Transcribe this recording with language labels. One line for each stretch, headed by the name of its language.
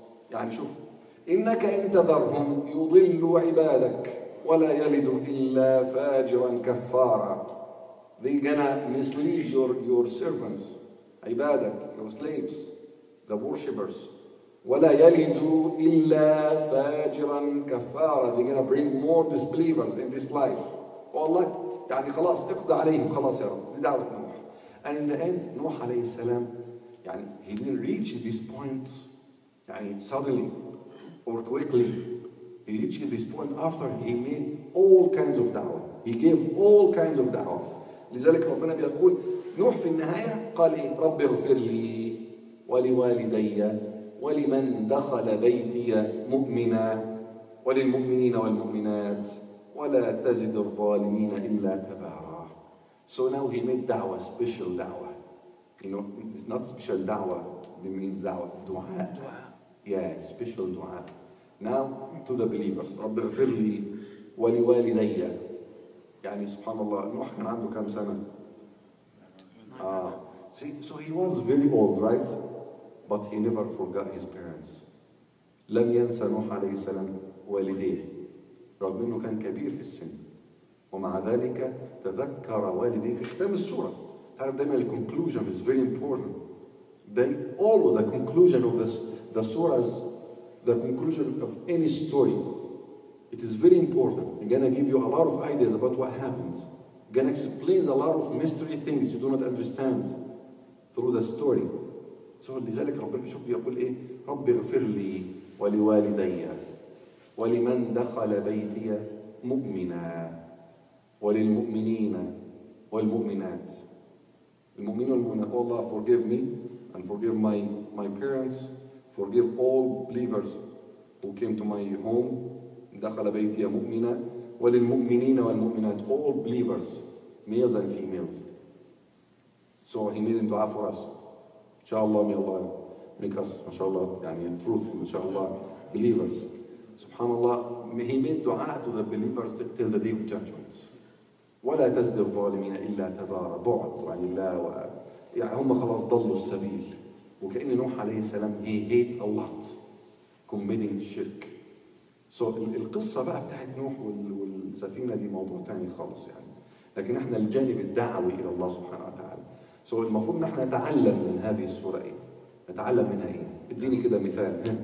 Arabic: يعني شوف, إنك إن تذرهم يضلوا عبادك ولا يلدوا إلا فاجرا كفارا.
English: They gonna mislead your servants, عبادك, your slaves, the worshippers.
Arabic: ولا يلد إلا فاجرا كفارا.
English: They're gonna bring more disbelievers in this life. Oh Allah,
Arabic: يعني خلاص اقضى عليهم خلاص يا رب. دعوة نوح.
English: And in the end, نوح عليه السلام, يعني he didn't reach these points, يعني suddenly or quickly. He reached this point after he made all kinds of دعوة. He gave all kinds of دعوة.
Arabic: لذلك ربنا بيقول نوح في النهاية قال إيه؟ رب اغفر لي ولوالدي ولمن دخل بيتي مؤمنا وللمؤمنين والمؤمنات ولا تزد الظالمين إلا تبارا.
English: So now he made دعوة, special دعوة. You know, it's not special دعوة, it means دعوة, دعاء. Yeah, special دعاء. Now to the believers.
Arabic: رب اغفر لي ولوالدي. يعني سبحان الله نوح كان عنده كم سنة؟
English: See, so he was very old, right? But he never forgot his parents.
Arabic: لم ينسى نوح عليه السلام والديه. رغم انه كان كبير في السن. ومع ذلك تذكر والديه في ختام السورة. تعرف دائما
English: the conclusion is very important. They all the conclusion of this, the surahs, the conclusion of any story. It is very important. I'm gonna give you a lot of ideas about what happens. I'm gonna explain a lot of mystery things you do not understand through the story.
Arabic: So لذلك ربنا شوف بيقول ايه؟ رب اغفر لي ولوالدي ولمن دخل بيتي مؤمنا وللمؤمنين والمؤمنات. المؤمنين والمؤمنات.
English: Oh Allah, forgive me and forgive my parents. Forgive all believers who came to my home.
Arabic: دخل بيتي مؤمنا وللمؤمنين والمؤمنات.
English: All believers, males and females. So he made dua for us. Inshallah, may Allah make us, mashallah, يعني truth, mashallah, believers. Subhanallah, he made dua to the believers till the day of judgment.
Arabic: ولا تزد الظالمين إلا تبارا. بعد عن الله و... يعني هم خلاص ضلوا السبيل.
English: وكأن نوح عليه السلام he hate a lot committing shirk.
Arabic: So القصة بقى بتاعت نوح والسفينة دي موضوع تاني خالص يعني. لكن احنا الجانب الدعوي إلى الله سبحانه وتعالى. So المفروض نحن نتعلم من هذه السورة ايه؟ نتعلم منها ايه؟ اديني كده مثال.